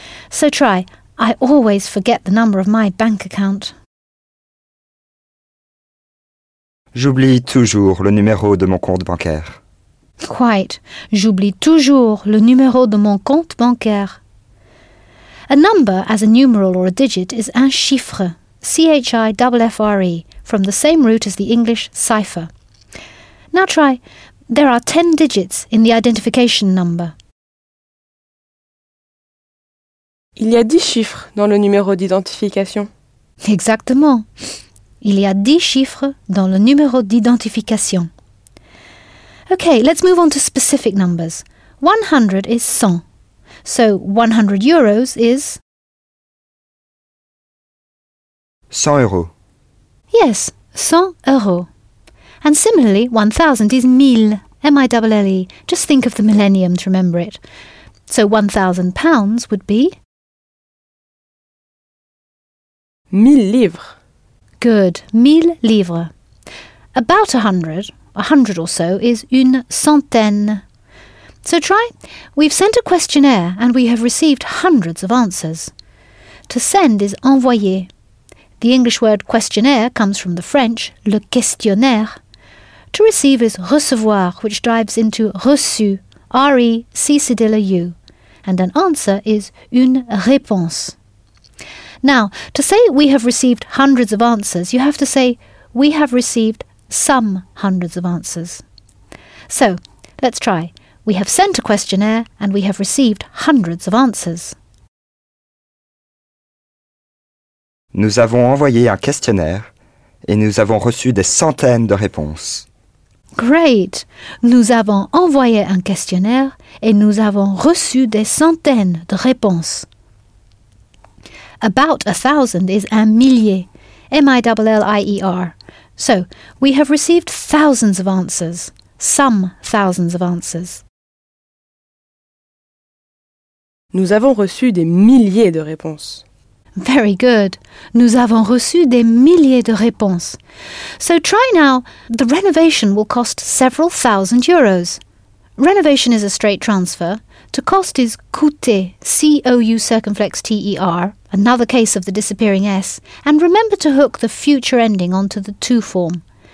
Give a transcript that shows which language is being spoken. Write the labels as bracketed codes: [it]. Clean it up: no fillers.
[en] So try, I always forget the number of my bank account. [fr] J'oublie toujours le numéro de mon compte bancaire. [en] Quite. [fr] J'oublie toujours le numéro de mon compte bancaire. [en] A number, as a numeral or a digit, is un chiffre, C-H-I-F-F-R-E, from the same root as the English cipher. Now try, there are 10 digits in the identification number. [fr] Il y a 10 chiffres dans le numéro d'identification. Exactement. Il y a 10 chiffres dans le numéro d'identification. [en] Okay, let's move on to specific numbers. 100 is 100. So, 100 euros is... [fr] 100 euros. [en] Yes, 100 euros. And similarly, 1,000 is 1,000, M-I-L-L-E. Just think of the millennium to remember it. So, 1,000 pounds would be... [fr] 1,000 livres. [en] Good, 1,000 livres. About 100, 100 or so, is une centaine. So try, we've sent a questionnaire and we have received hundreds of answers. To send is envoyer. The English word questionnaire comes from the French, le questionnaire. To receive is recevoir, which dives into reçu, R-E-C-C-D-L-U. And an answer is une réponse. Now, to say we have received hundreds of answers, you have to say we have received some hundreds of answers. So, let's try. We have sent a questionnaire and we have received hundreds of answers. [fr] Nous avons envoyé un questionnaire et nous avons reçu des centaines de réponses. [en] Great! [fr] Nous avons envoyé un questionnaire et nous avons reçu des centaines de réponses. [en] About 1,000 is un millier, M-I-L-L-I-E-R. So, we have received thousands of answers, some thousands of answers. [fr] Nous avons reçu des milliers de réponses. [en] Very good. [fr] Nous avons reçu des milliers de réponses. [en] So try now. The renovation will cost several thousand euros. Renovation is a straight transfer. To cost is coûter, C-O-U circumflex T-E-R, another case of the disappearing S. And remember to hook the future ending onto the to form.